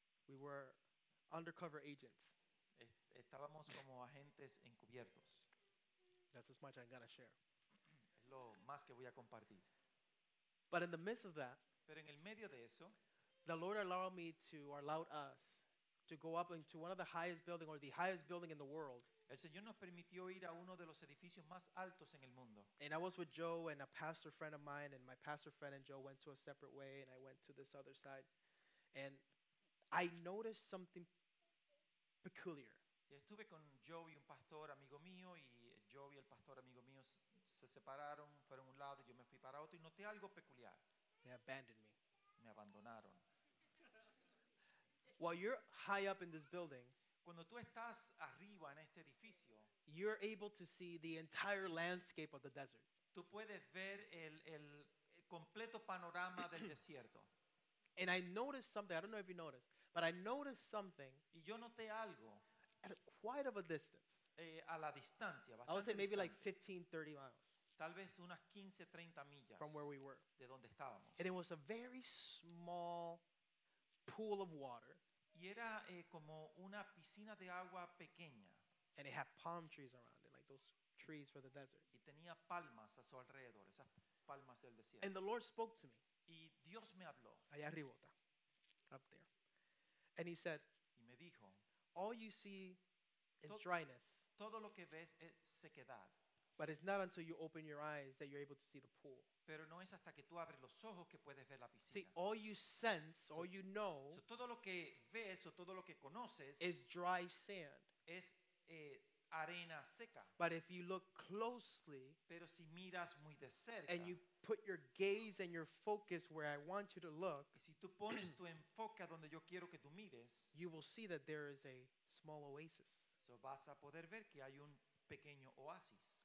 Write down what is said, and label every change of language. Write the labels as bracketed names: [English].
[English] We were undercover agents. [Spanish] Estábamos como agentes encubiertos. [English] That's as much I'm going to share. [Spanish] Es lo más que voy a compartir. [English] But in the midst of that, [Spanish] pero en el medio de eso, [English] the Lord allowed me to, or allowed us, to go up into one of the highest buildings, or the highest building in the world. [Spanish] El Señor nos permitió ir a uno de los edificios más altos en el mundo. [English] And I was with Joe and a pastor friend of mine, and my pastor friend and Joe went to a separate way, and I went to this other side. And I noticed something peculiar. [Spanish] Y estuve con Joe y un pastor amigo mío, y Joe y el pastor amigo mío se separaron, fueron a un lado, y yo me fui para otro, y noté algo peculiar. [English] They abandoned me. [Spanish] Me abandonaron. [English] While you're high up in this building, [Spanish] cuando tú estás arriba en este edificio, [English] you're able to see the entire landscape of the desert. [Spanish] Tú puedes ver el completo panorama del desierto. [English] And I noticed something, I don't know if you noticed, but I noticed something. [Spanish] Y yo noté algo. [English] At quite of a distance. [Spanish] A la distancia, [English] I would say maybe like 15, 30 miles. [Spanish] Tal vez unas 15, 30 millas. [English] From where we were. [Spanish] De donde estábamos. [English] And it was a very small pool of water. [Spanish] Y era como una piscina de agua pequeña. [English] And it had palm trees around it, like those trees for the desert. [Spanish] Y tenía palmas a su alrededor, esas palmas del desierto. [English] And the Lord spoke to me. [Spanish] Y Dios me habló. Allá arriba, [English] up there. And he said, [Spanish] y me dijo, [English] all you see is dryness. [Spanish] Todo lo que ves es sequedad. [English] But it's not until you open your eyes that you're able to see the pool. [Spanish] Pero no es hasta que tú abres los ojos que puedes ver la piscina. [English] See, all you sense, all you know, [Spanish] so todo lo que ves o todo lo que conoces, [English] is dry sand. [Spanish] Es arena seca. [English] But if you look closely, [Spanish] pero si miras muy de cerca, [English] and you put your gaze and your focus where I want you to look, [Spanish] si tú pones tu enfoque donde yo quiero que tú mires, [English] you will see that there is a small oasis. [Spanish] So vas a poder ver que hay un pequeño oasis.